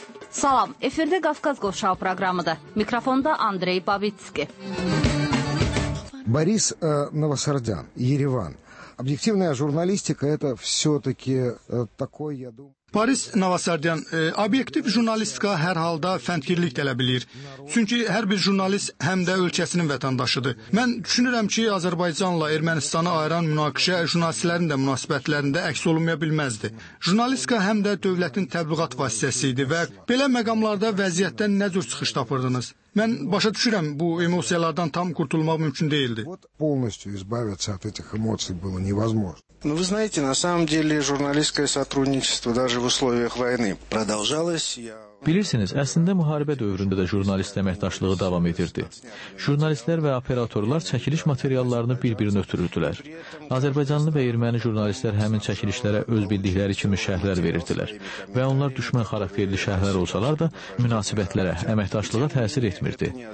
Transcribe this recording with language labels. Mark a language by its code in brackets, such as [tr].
[az] Salam, efirdə Qafqaz Qovşağı proqramıdır. Mikrofonda Andrey Babitski. [ru] Борис Новосардян, Ереван. Объективная журналистика это всё-таки такой, я думаю. [az] Борис Новосардян, [ru] объектив журналистика [az] hər halda fəndkirlik tələb edir. Çünki hər bir jurnalist həm də ölkəsinin vətəndaşıdır. Mən düşünürəm ki, Azərbaycanla Ermənistanı ayıran münaqişə jurnalistlərin də münasibətlərində əks olunmaya bilməzdi. Jurnalistika həm də dövlətin təbliğat vasitəsi idi və belə məqamlarda vəziyyətdən nə cür çıxış tapırdınız? Mən başa düşürəm, bu emosiyalardan tam qurtulmaq mümkün deyildi. [ru] Полностью избавиться от этих эмоций было невозможно. Ну, вы знаете, на самом деле журналистское сотрудничество даже в условиях войны продолжалось. [az] Bilirsiniz, əslində müharibə dövründə də jurnalist əməkdaşlığı davam edirdi. Jurnalistlər və operatorlar çəkiliş materiallarını bir-birinə ötürürdülər. Azərbaycanlı və erməni jurnalistlər həmin çəkilişlərə öz bildikləri kimi şərhlər verirdilər və onlar düşmən xarakterli şərhlər olsalar da münasibətlərə, əməkdaşlığa təsir etmirdi.